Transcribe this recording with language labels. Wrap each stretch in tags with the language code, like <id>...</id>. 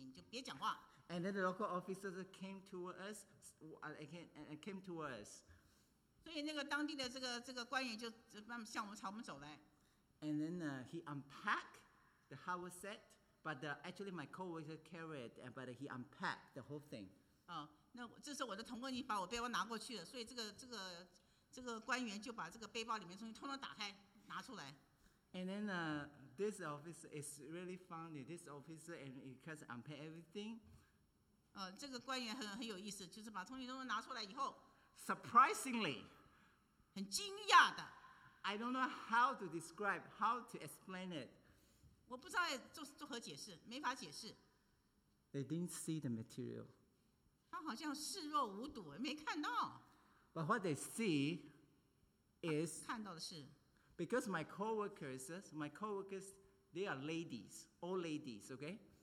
<zh>因为我不是当地人，不晓得怎么样去处理这些事情，所以我的同工当地的一个同工就跟你讲说，你就什么话都别讲，我就把那个背包拿过来，就是让我来处理一切的事情，就别讲话。</zh> <en>And then the local officer came to us, came to us.</en> <zh>所以那个当地的这个官员就向我们朝我们走来。</zh> <en>And then he unpacked the haversack, but actually my coworker carried it, but he unpacked the whole thing.</en> <zh>那这时候我的同工已经把我背包拿过去了，所以这个官员就把这个背包里面东西通通打开拿出来。</zh> <en>And then this officer is really funny. This officer and he has unpack everything.</en> <zh>这个官员很有意思，就是把东西都拿出来以后</zh> <en>，surprisingly，</en> <zh>很惊讶的</zh> <en>，I don't know how to describe, how to explain it.</en> <zh>我不知道做何解释，没法解释。</zh> <en>They didn't see the material.</en> <zh>他好像视若无睹，没看到。</zh> <en>But what they see is</en> <zh>看到的是</zh> <en>，because my coworkers, they are ladies, all ladies, okay?</en>